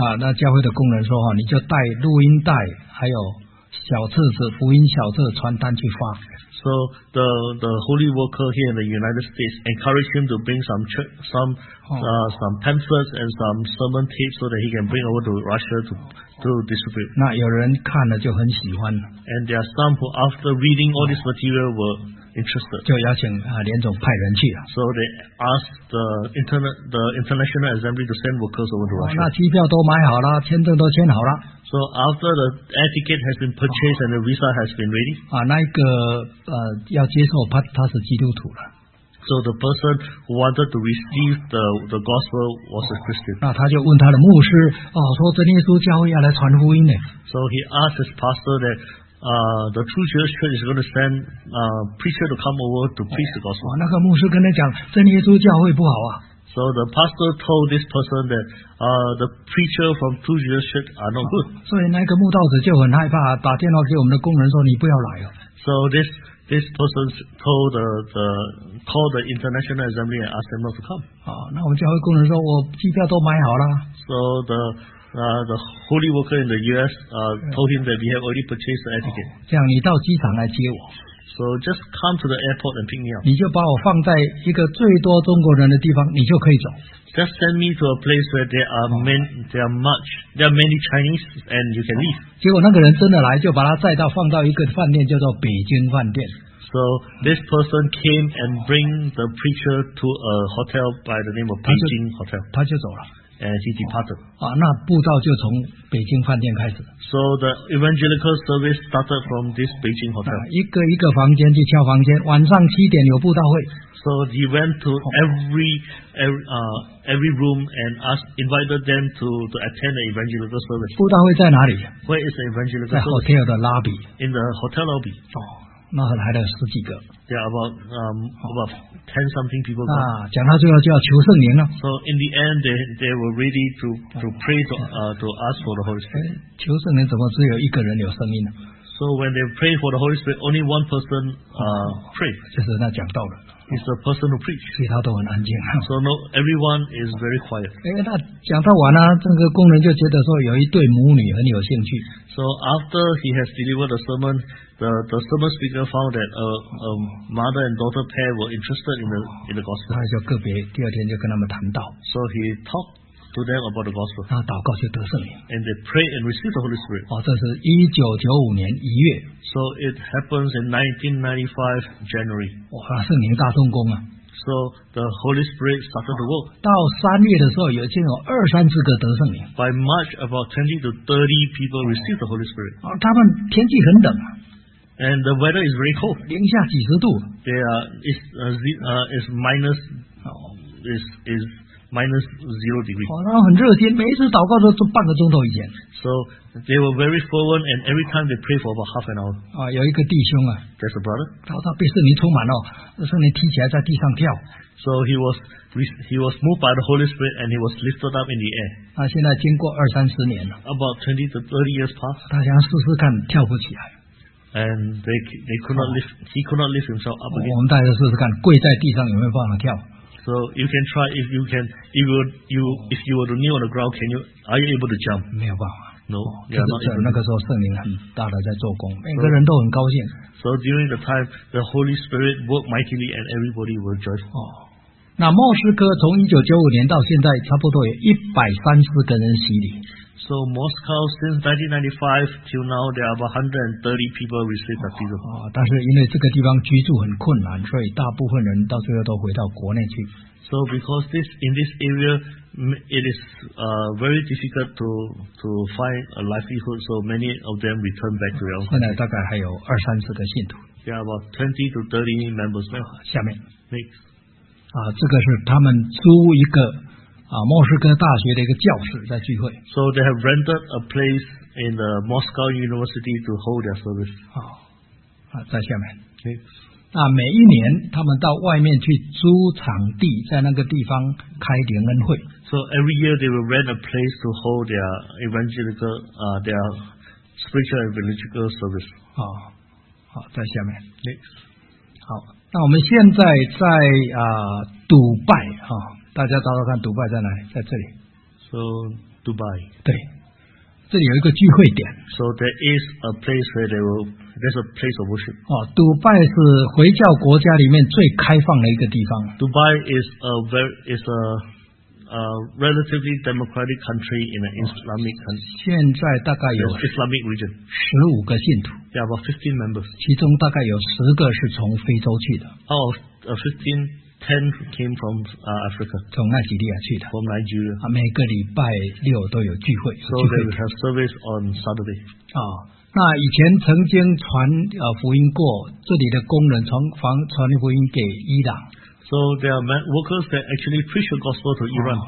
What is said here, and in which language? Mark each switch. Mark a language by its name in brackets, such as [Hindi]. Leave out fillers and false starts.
[Chinese] 那教会的工人说，你就带录音带，还有小册子，福音小册传单去发。 [English] So the holy worker here in the United States encouraged him to bring some pamphlets and some sermon tapes so that he can bring over to Russia to distribute. [Chinese] 那有人看了就很喜欢。 [English] And there are some who after reading all this material were interested. [Chinese] 就邀请连总派人去。 [English] So they asked the International Assembly to send workers over to Russia. [Chinese] 那机票都买好了，签证都签好了。 [English] So after the air ticket has been purchased and the visa has been ready, [Chinese] 那一个要接受他是基督徒了。 [English] So the person who wanted to receive the gospel was a Christian. [Chinese] 那他就问他的牧师，说真耶稣教会要来传福音呢。 [English] So he asked his pastor that, the true Jewish church is going to send preacher to come over to preach the gospel. [Chinese] 那个牧师跟他讲，真耶稣教会不好啊。 [English] So the pastor told this person that the preacher from True Jesus Church are not good. [Chinese] 所以那个慕道者就很害怕，打电话给我们的工人说：“你不要来哦。” [English] So this person told the International Assembly and asked them not to come. [Chinese] 那我们教会工人说：“我机票都买好了。” [English] So the holy worker in the U.S. Told him that we have already purchased the air ticket. [Chinese] 这样，你到机场来接我。 [English] So just come to the airport and pick me up. [Chinese] 你就把我放在一个最多中国人的地方，你就可以走。 [English] Just send me to a place where there are many Chinese, and you can leave. [Chinese] 结果那个人真的来，就把他载到放到一个饭店，叫做北京饭店。 [English] So this person came and bring the preacher to a hotel by the name of Beijing Hotel. [Chinese] 他就走了。 [English] And he departed. [Chinese] 那布道就从北京饭店开始。 [English] So the evangelical service started from this Beijing hotel. [Chinese] 一个一个房间去敲房间，晚上七点有布道会。 [English] So he went to every room and invited them to attend the evangelical service. [Chinese] 布道会在哪里 [English] ？Where is the evangelical? [Chinese] 在 hotel 的 lobby. [English] In the hotel lobby. [Chinese] 那来了十几个。 [English] There are about 10 something people. [Chinese] 讲到最后就要求圣灵了。 [English] So in the end, they were ready to pray to ask for the Holy Spirit. [Chinese] 求圣灵怎么只有一个人有声音呢 [English] ？So when they pray for the Holy Spirit, only one person pray. [Chinese] 就是那讲道的。 [English] It's the person who preach. [Chinese] 其他都很安静。 [English] So no, everyone is very quiet. [Chinese] 那讲到完了，这个工人就觉得说有一对母女很有兴趣。 [English] So after he has delivered the sermon, the sermon speaker found that a mother and daughter pair were interested in the gospel. [Chinese] 他就个别第二天就跟他们谈到。 [English] So he talked to them about the gospel. [Chinese] 那祷告就得圣灵。 [English] And they prayed and received the Holy Spirit. [Chinese] 这是1995年一月。 [English] So it happens in 1995 January. [Chinese] 圣灵大动工啊。 [English] So the Holy Spirit started to work. [Chinese] 到三月的时候，已经有二三十个得圣灵。 [English] By March, about 20 to 30 people received the Holy Spirit. [Chinese] 他们天气很冷。 [English] And the weather is very cold. [Chinese] 零下几十度。 [English] They are, it's minus is minus 0 degrees. [Chinese] 哇，他们很热心，每一次祷告都是半个钟头以前。 [English] So they were very fervent, and every time they pray for about half an hour. [Chinese] 啊，有一个弟兄啊 [English] ，That's a brother. [Chinese] 他被圣灵充满了，圣灵提起来在地上跳。 [English] So he was moved by the Holy Spirit, and he was lifted up in the air. [Chinese] 啊，现在经过二三十年了。 [English] About 20 to 30 years passed. [Chinese] 他想试试看跳不起来。 [English] And they could not lift. He could not lift himself up again. [Chinese] 我们大家试试看，跪在地上有没有办法跳。 [English] So you can try if you can if you were to kneel on the ground, are you able to jump? [Chinese] 没有办法。 [English] No. [Chinese] 这那个时候圣灵很大的在做工，每个人都很高兴。 [English] So during the time, the Holy Spirit worked mightily, and everybody was joyful. [Chinese] 那牧师哥从1995年到现在，差不多有130个人洗礼。 [English] So Moscow since 1995 till now, there are about 130 people received the baptism. [Chinese] 但是因为这个地方居住很困难，所以大部分人到最后都回到国内去。 [English] So because in this area, it is very difficult to find a livelihood, so many of them return back to their own. [Chinese] 现在大概还有二三十个信徒。 [English] There are about 20 to 30 members now. [Chinese] 下面 [English] next. [Chinese] 这个是他们租一个。莫斯科大学的一个教室在聚会。 [English] So they have rented a place in the Moscow University to hold their service. [Chinese] 在下面。 [English] Okay. [Chinese] 每一年他们到外面去租场地，在那个地方开联恩会。 [English] So every year they will rent a place to hold their evangelical, their spiritual and religious service. [Chinese] 在下面。 [English] Next. [Chinese] 好，那我们现在在迪拜啊。大家找找看，迪拜在哪里？在这里。 [English] So Dubai. [Chinese] 对，这里有一个聚会点。 [English] So there is a place where they will. There's a place of worship. [Chinese] 迪拜是回教国家里面最开放的一个地方。 [English] Dubai is a very is a relatively democratic country in an Islamic country. [Chinese] 现在大概有 [English] Islamic region [Chinese] 15个信徒。 [English] Yeah, about 15 members. [Chinese] 其中大概有10个是从非洲去的。 [English] Out of 15. Ten came from Africa. [Chinese] 从奈及利亚去的。 [English] From Nigeria. [Chinese] 每个礼拜六都有聚会。 [English] So they will have service on Saturday. [Chinese] 那以前曾经传福音过这里的工人传福音给伊朗。 [English] So there are workers that actually preach the gospel to Iran.